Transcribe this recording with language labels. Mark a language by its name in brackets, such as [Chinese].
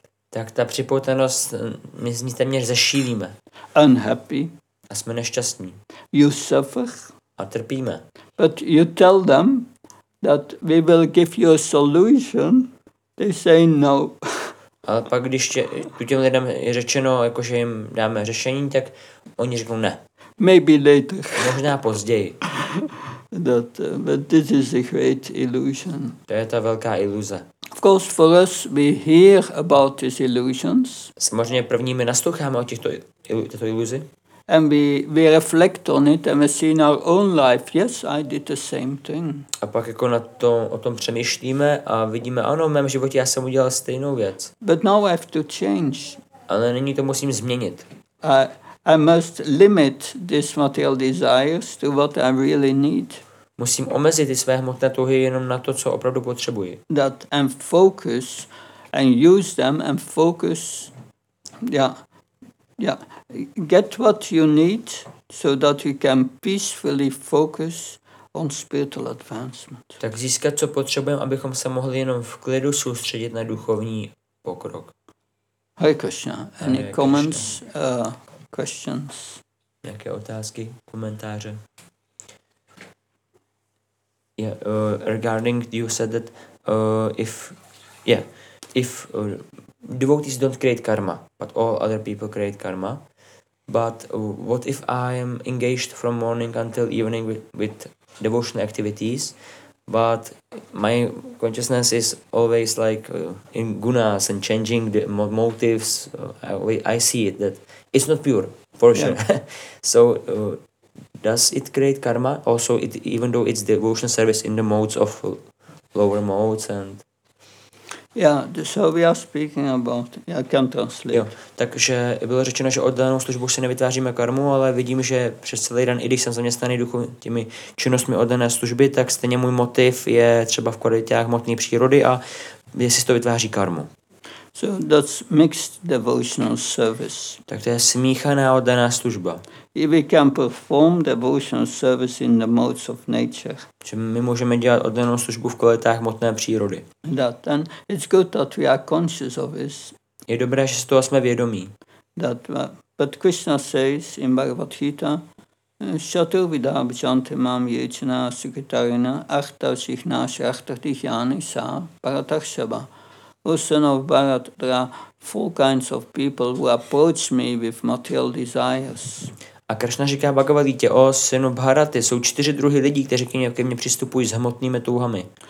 [Czech] Tak ta připoutanost, my z ní téměř zešílíme. [English] Unhappy. [Czech] A jsme nešťastní. [English] You suffer. [Czech] A trpíme. [English] But you tell them that we will give you a solution. They say no. [Czech] Ale pak, když těm lidem je řečeno, jakože jim dáme řešení, tak oni řeknou ne. [English] Maybe later. [Czech] Možná později. [English] But this is a great illusion. [Czech] To je ta velká iluze. [English] Of course, for us, we hear about these illusions. [Czech] Samozřejmě první my nasloucháme o těchto iluzi. [English] And we reflect on it and we see in our own life, yes, I did the same thing. [Czech] A pak jako na to, o tom přemýšlíme a vidíme, ano, v mém životě já jsem udělal stejnou věc. [English] But now I have to change. [Czech] Ale nyní to musím změnit. [English] I must limit these material desires to what I really need. [Czech] Musím omezit ty své hmotné touhy jenom na to, co opravdu potřebuji. [English] That and focus and use them and focus, yeah. Get what you need so that you can peacefully focus on spiritual advancement. [Czech] Tak získat, co potřebujeme, abychom se mohli jenom v klidu soustředit na duchovní pokrok. [English] Hare Krishna. Any comments, questions? [Czech] Nějaké otázky, komentáře? [English] Yeah, regarding you said that if devotees don't create karma, but all other people create karma. But what if I am engaged from morning until evening with devotional activities, but my consciousness is always like in gunas and changing the motives? I see it that it's not pure for sure. Yeah. So does it create karma? Also, it even though it's devotional service in the modes of lower modes and. Yeah, so we are speaking about. Yeah, I can translate. [Czech] Jo, takže bylo řečeno, že oddanou službu si nevytváříme karmu, ale vidím, že přes celý den, i když jsem zaměstnaný těmi činnostmi oddané služby, tak stejně můj motiv je třeba v kvalitách hmotné přírody a jestli to vytváří karmu. [English] So that's mixed devotional service. [Czech] Tak to je smíchaná oddaná služba. [English] If we can perform devotional service in the modes of nature. [Czech] Že my můžeme dělat oddanou službu v kvalitách hmotné přírody. [English] That and it's good that we are conscious of this. [Czech] Je dobré, že z toho jsme vědomí. [English] That but Krishna says in Bhagavad Gita, [Sanskrit] Chaturvidha Bhajantimam Yechana Sukhitarina Ahtarshih Nasha Ahtarshih Yani Sa Paratarshava. [English] O son of Bharat, there are four kinds of people who approach me with material desires. [Czech] A Krishna říká Bhagavad Gita, o synu Bharaty, jsou čtyři druhy lidí, kteří ke mně přistupují s hmotnými touhami.